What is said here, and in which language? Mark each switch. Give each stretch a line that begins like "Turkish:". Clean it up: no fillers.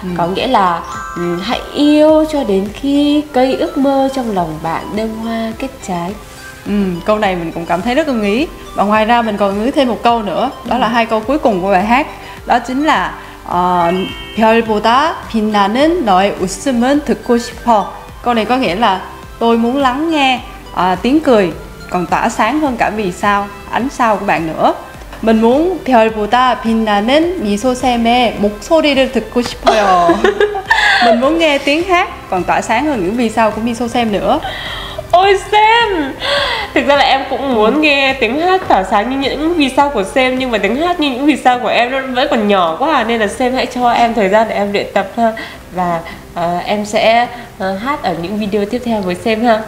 Vietnamese: Có nghĩa là hãy yêu cho đến khi cây ước mơ trong lòng bạn đơm hoa kết trái. Câu này mình cũng cảm thấy rất ưng ý. Và ngoài ra mình còn ưng ý thêm một câu nữa. Đó là hai câu cuối cùng của bài hát. Đó chính là
Korean: 별보다 빛나는 너의 웃음은 듣고 싶어.
Vietnamese: Câu này có nghĩa là tôi muốn lắng nghe tiếng cười còn tỏa sáng hơn cả vì sao, ánh sao của bạn nữa. Mình muốn
Korean: 별보다 빛나는 미소샘의 목소리를 듣고 싶어요.
Vietnamese: Mình muốn nghe tiếng hát còn tỏa sáng hơn những vì sao của miso샘 nữa. Ôi Sam, thực ra là em cũng muốn nghe tiếng hát tỏa sáng như những vì sao của Sam, nhưng mà tiếng hát như những vì sao của em nó vẫn còn nhỏ quá à, nên là Sam hãy cho em thời gian để em luyện tập ha, và em sẽ hát ở những video tiếp theo với Sam ha.